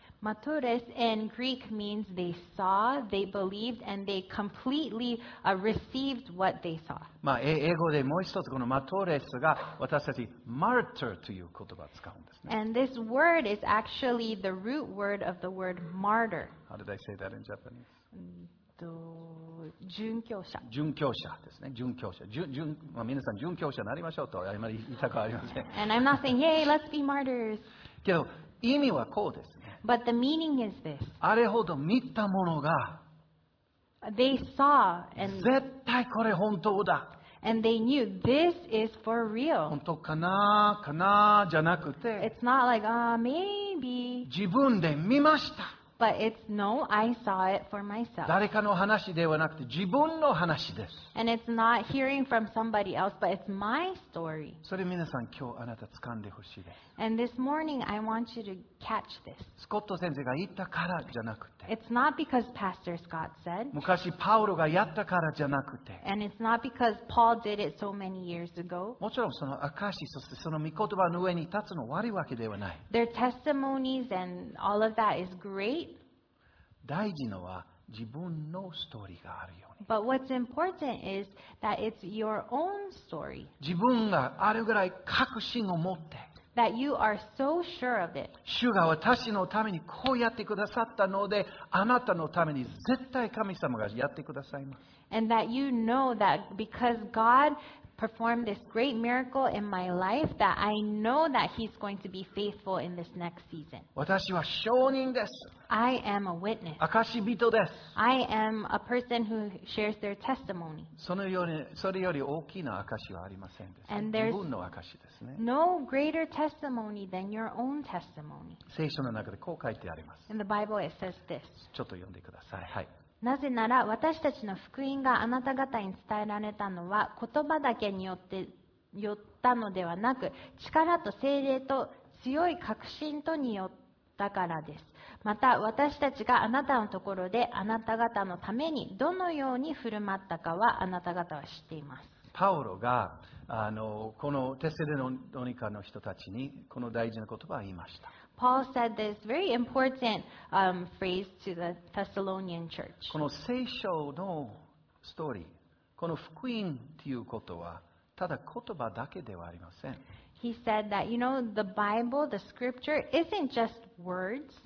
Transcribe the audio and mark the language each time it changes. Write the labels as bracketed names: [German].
[English] Matores in Greek means they saw, they believed, and they completely received what they saw. [Japanese] まあ英語でもう一つこのマトレスが私たち martyr という言葉を使うんですね。 [English] And this word is actually the root word of the word martyr. How did I say that in Japanese? [Japanese] 殉教者。殉教者ですね。殉教者。まあ、皆さん殉教者になりましょうとあまり言いたくありません。 [English] And I'm not saying, yay, let's be martyrs. [Japanese] けど意味はこうですね。 [English] But the meaning is this. [Japanese] あれほど見たものが、 [English] they saw and [Japanese] 絶対これ本当だ。 [English] And they knew this is for real. [Japanese] 本当かなかなじゃなくて、 [English] it's not like, maybe. [Japanese] 自分で見ました。 [English] But it's no, I saw it for myself. [Japanese] 誰かの話ではなくて自分の話です。 [English] And it's not hearing from somebody else, but it's my story. [Japanese] それ皆さん今日あなた掴んでほしいです。 [English] And this morning I want you to catch this. [Japanese] スコット先生が言ったからじゃなくて。 [English] It's not because Pastor Scott said. [Japanese] 昔パウロがやったからじゃなくて。 [English] And it's not because Paul did it so many years ago. [Japanese] もちろんその証、そしてその御言葉の上に立つの悪いわけではない。 [English] Their testimonies and all of that is great. [Japanese] 大事のは自分のストーリーがあるように。 [English] But what's important is that it's your own story. [Japanese] 自分があるぐらい確信を持って。 [English] That you are so sure of it. [Japanese] 主が私のためにこうやってくださったので、あなたのために絶対神様がやってくださいます。 [English] And that you know that because God perform this great miracle in my life that I know that he's going to be faithful in this next season. [Japanese] 私は証人です。 [English] I am a witness. [Japanese] 証人です。 [English] I am a person who shares their testimony. [Japanese] それより大きな証はありませんです。自分の証ですね。 [English] No greater testimony than your own testimony. [Japanese] 聖書の中でこう書いてあります。 [English] In the Bible it says this. [Japanese] ちょっと読んでください。はい。なぜなら私たちの福音があなた方に伝えられたのは言葉だけによって寄ったのではなく力と聖霊と強い確信とによったからです。また私たちがあなたのところであなた方のためにどのように振る舞ったかはあなた方は知っています。パウロがこのテセロニカの人たちにこの大事な言葉を言いました。 [English] Paul said this very important phrase to the Thessalonian church. [Japanese] この聖書のストーリー、この福音ということは、ただ言葉だけではありません。 [English] He said that, you know, the Bible, the scripture, isn't just words.